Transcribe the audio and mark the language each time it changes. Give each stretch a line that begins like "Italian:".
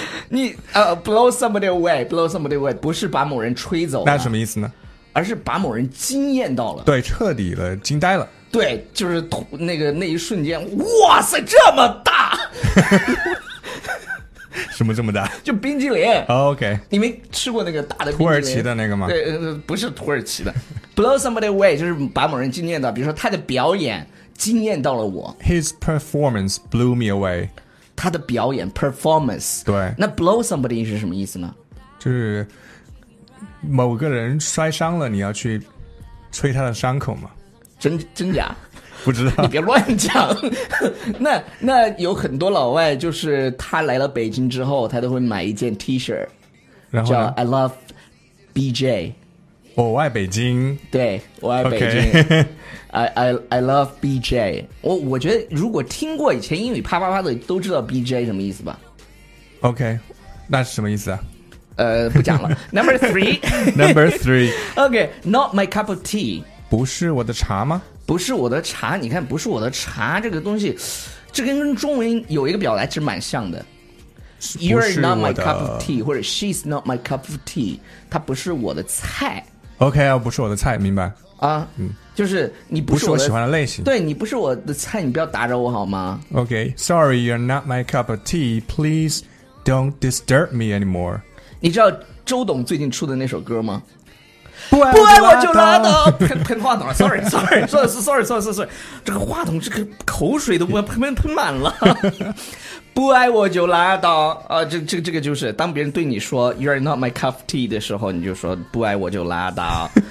English: 你blow somebody away， blow somebody away
Chinese: 不是把某人吹走了，那什么意思呢？而是把某人惊艳到了，对，彻底的惊呆了。对，就是那个那一瞬间，哇塞，这么大！什么这么大？就冰激凌。
English: Oh, OK，
Chinese: 你没吃过那个大的土耳其的那个吗？对，不是土耳其的。
English: blow somebody away
Chinese: 就是把某人惊艳到，比如说他的表演。惊艳到了我。
English: His performance blew me away.
Chinese: 他的表演 performance. 对。那
English: blow somebody
Chinese: 是什么意思呢？就是某个人摔伤了，你要去吹他的伤口吗？真假？不知道。你别乱讲。那有很多老外，就是他来了北京之后，他都会买一件 T 恤，然后
English: 叫 I love BJ。
Chinese: 我爱北京，对，我爱北京。
English: Okay. I love BJ。
Chinese: 我觉得如果听过以前英语啪啪啪的，都知道 BJ 什么意思吧？OK， 那是什么意思啊？不讲了。
English: Number three. OK， not my cup of tea。
Chinese: 不是我的茶吗？不是我的茶。你看，不是我的茶这个东西，这跟中文有一个表达其实蛮像的。
English: You're not my cup of tea，
Chinese: 或者
English: She's not my cup of tea，
Chinese: 它不是我的菜。 OK， 不是我的菜，明白啊、嗯？就是你不是我喜欢的类型。对，你不是我的菜，你不要打扰我好吗
English: ？OK， sorry， you're not my cup of tea， please don't disturb me anymore。
Chinese: 你知道周董最近出的那首歌吗？不爱我就拉倒。喷话筒了 ，sorry， 说的是 sorry， 这个话筒这个口水都喷满了。不爱我就拉倒啊！这个就是当别人对你说
English: "You're not my cup of tea"
Chinese: 的时候，你就说不爱我就拉倒。